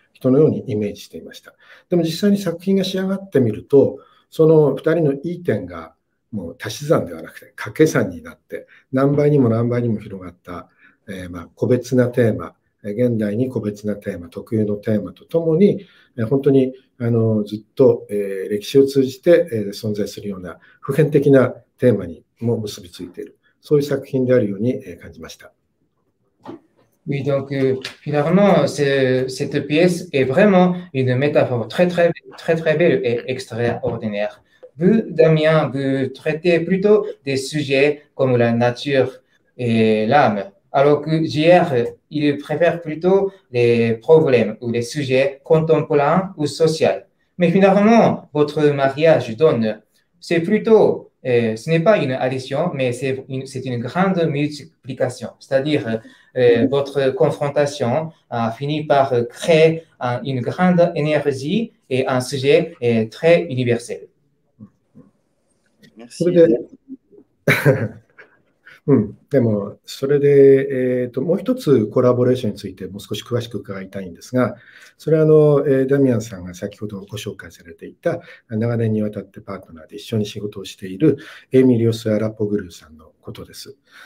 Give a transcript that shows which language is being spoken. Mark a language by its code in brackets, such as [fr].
[ja] 人のようにイメージしていました。でも実際に作品が仕上がってみると、その2人のいい点がもう足し算ではなくて掛け算になって、何倍にも何倍にも広がった、個別なテーマ、現代に個別なテーマ、特有のテーマとともに、本当にずっと、歴史を通じて、存在するような普遍的なテーマにも結びついている、そういう作品であるように、感じました。 [fr] Oui, donc finalement, cette pièce est vraiment une métaphore très, très, très, très belle et extraordinaire. Vous, Damien, vous traitez plutôt des sujets comme la nature et l'âme, alors que JR, il préfère plutôt les problèmes ou les sujets contemporains ou sociaux. Mais finalement, votre mariage donne, c'est plutôt. Et ce n'est pas une addition, mais c'est une grande multiplication. C'est-à-dire, votre confrontation a fini par créer une grande énergie et un sujet très universel. Merci, Eliane. [ja] でも、それで、もう一つコラボレーションについて、もう少し詳しく伺いたいんですが、それは、ダミアンさんが先ほどご紹介されていた、長年にわたってパートナーで一緒に仕事をしている、エミリオス・アラポグルーさんのことです。